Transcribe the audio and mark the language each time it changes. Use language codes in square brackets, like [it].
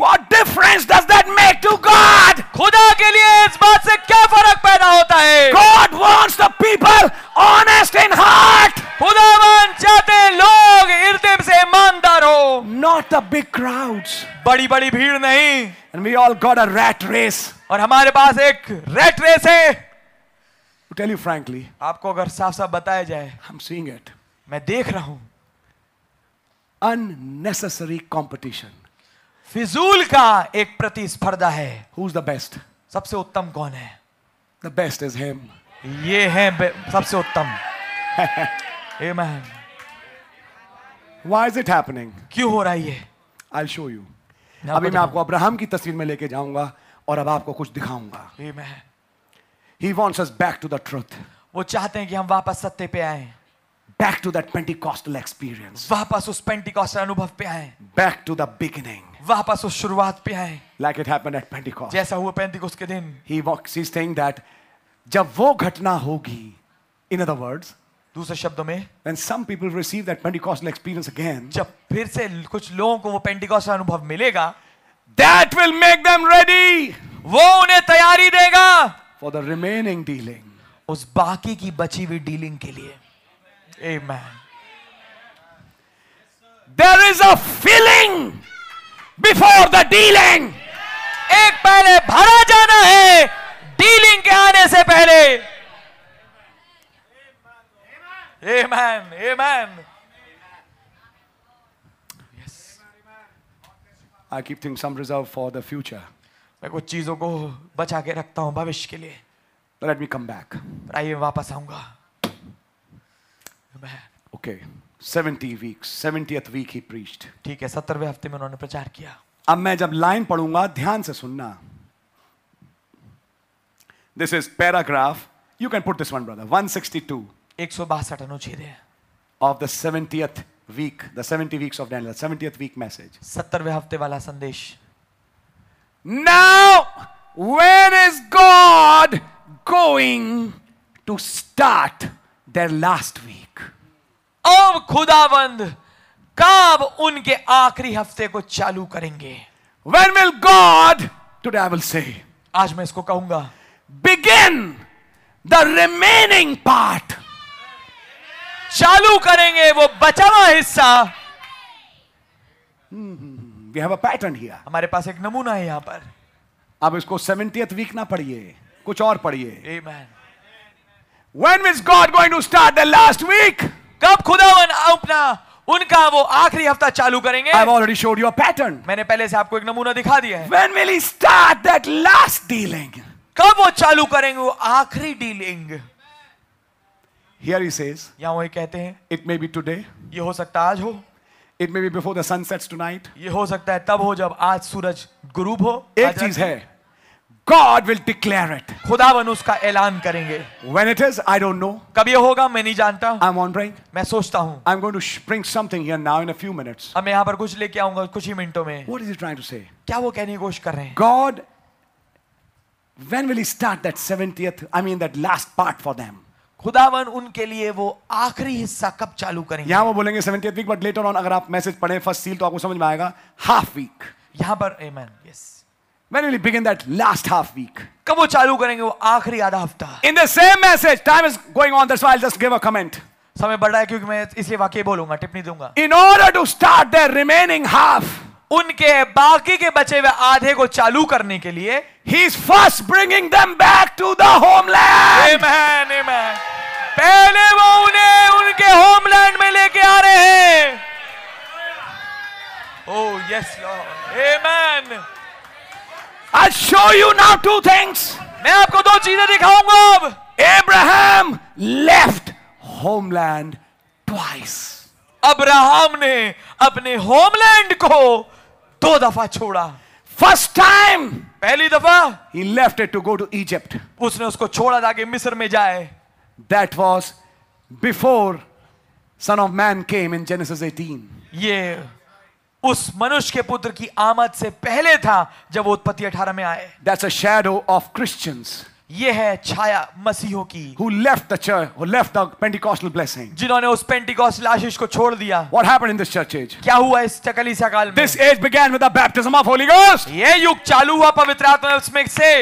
[en] what difference does that make to God, [hi] खुदा के लिए इस बात से क्या फर्क पैदा होता है, [en] God wants the people honest in heart, [hi] खुदावन चाहते हैं लोग हृदय से ईमानदार हो, [en] not the big crowds, [hi] बड़ी बड़ी भीड़ नहीं, [en] and we all got a rat race. [hi] और हमारे पास एक रेट रेस है, [en] tell you frankly, [hi] आपको अगर साफ साफ बताया जाए, [en] I'm seeing it. [hi] मैं देख रहा हूं अननेसेसरी कॉम्पिटिशन, फिजूल का एक प्रतिस्पर्धा है. [en] Who's the best? [hi] सबसे उत्तम कौन है? [en] The best is him. [hi] ये है सबसे उत्तम. Amen. [en] Why is it happening? [hi] क्यों हो रहा है ये? [en] I'll show you. [hi] अभी मैं आपको अब्राहम की तस्वीर में लेके जाऊंगा और अब आपको कुछ दिखाऊंगा. [en] Amen. He wants us back to the truth. [hi] वो चाहते हैं कि हम वापस सत्य पे आए. [en] Back to that Pentecostal experience. [hi] वापस उस Pentecostal अनुभव पे आए. [en] Back to the beginning. [hi] वापस उस शुरुआत पे आए. [en] Like it happened at Pentecost. [hi] जैसा हुआ Pentecost के दिन. [en] He's saying that [hi] जब वो घटना होगी, [en] in other words, [hi] दूसरे शब्दों में, [en] when some people receive that Pentecostal experience again, [hi] जब फिर से कुछ लोगों को वो Pentecostal अनुभव मिलेगा, [en] that will make them ready. [hi] वो उन्हें तैयारी देगा. [en] For the remaining dealing, [hi] उस बाकी की बची हुई dealing के लिए. [en] Amen. There is a filling before the dealing. [hi] एक पहले भरा जाना है dealing के आने से पहले. [en] Amen. Amen. Yes. I keep things some reserve for the future. [hi] मैं कुछ चीजों को बचा के रखता हूँ भविष्य के लिए. [en] But let me come back. [hi] आइए वापस आऊंगा. [en] Okay, 70 weeks, 70th week he preached. [hi] ठीक है, 70वें हफ्ते में उन्होंने प्रचार किया. अब मैं जब लाइन पढ़ूंगा ध्यान से सुनना. [en] This is paragraph. You can put this one, brother. 162. [hi] 162 अनुच्छेद है. [en] Of the 70th week, the 70 weeks of Daniel, 70th week message. [hi] 70वें हफ्ते वाला संदेश. [en] Now, when is God going to start their last week? [hi] अब खुदावंद कब उनके आखिरी हफ्ते को चालू करेंगे? [en] When will God, today I will say, [hi] आज मैं इसको कहूंगा, [en] begin the remaining part, [hi] चालू करेंगे वो बचा हुआ हिस्सा. [en] We have a pattern here. [hi] हमारे पास एक नमूना है यहां पर. अब इसको 70th week ना पढ़िए, कुछ और पढ़िए. [en] Amen. When is God going to start the last week? [hi] कब खुदावन अपना उनका वो आखिरी हफ्ता चालू करेंगे? [en] I've already showed you a pattern. [hi] मैंने पहले से आपको एक नमूना दिखा दिया है. [en] When will he start that last dealing? [hi] कब वो चालू करेंगे वो आखिरी डीलिंग? [en] Here he says. [hi] यहाँ वो कहते हैं. [en] It may be today. [hi] ये हो सकता आज हो. [en] It may be before the sun sets tonight. [hi] ये हो सकता है तब हो जब आज सूरज गुरूब हो. एक चीज है. [en] God will declare it. [hi] खुदावन उसका ऐलान करेंगे. [en] When it is, I don't know. [hi] कब ये होगा मैं नहीं जानता. [en] I'm wondering. [hi] मैं सोचता हूँ. [en] I'm going to bring something here now in a few minutes. [hi] अब मैं यहाँ पर कुछ लेके आऊँगा कुछ ही मिनटों में. [en] What is he trying to say? [hi] क्या वो कहने की कोशिश कर रहे हैं? [en] God, when will he start that 70th? I mean that last part for them. [hi] खुदावन उनके लिए वो आखिरी हिस्सा कब चालू करेंगे? यहाँ वो बोलेंगे 70th week, [en] but later on [hi] अगर आप मैसेज पढ़ें [en] first seal [hi] तो आपको समझ में आएगा [en] half week. [hi] यहाँ पर [en] amen yes. When will he begin that last half week? [hi] कब वो चालू करेंगे वो आखिरी आधा हफ्ता? [en] In the same message, time is going on, that's why I'll just give a comment. [hi] समय बढ़ रहा है क्योंकि मैं इसलिए वाकई बोलूंगा टिप्पणी दूंगा. [en] In order to start their remaining half, [hi] उनके बाकी के बचे हुए आधे को चालू करने के लिए, [en] he's first bringing them back to the homeland. Amen, amen. [hi] पहले वो उन्हें उनके होमलैंड में लेके आ रहे हैं. [en] Oh yes, Lord. Amen. I'll show you now two things. [hi] मैं आपको दो चीजें दिखाऊंगा अब. [en] Abraham left homeland twice. [hi] Abraham ने अपने होमलैंड को दो दफा छोड़ा. [en] First time, [hi] पहली दफा, [en] he left it to go to Egypt. [hi] उसने उसको छोड़ा ताकि मिस्र में जाए. [en] That was before Son of Man came in Genesis 18. [hi] ये उस मनुष्य के पुत्र की आमद से पहले था जब वो उत्पत्ति 18 में आए. [en] That's a shadow of Christians. [hi] ये है छाया मसीहों की. [en] Who left the church? Who left the Pentecostal blessing? [hi] जिन्होंने उस Pentecostal आशीष को छोड़ दिया. [en] What happened in this church age? [hi] क्या हुआ इस चकलीसा काल में? [en] This age began with the baptism of Holy Ghost. [hi] ये युग चालू हुआ पवित्र आत्मा उसमें से.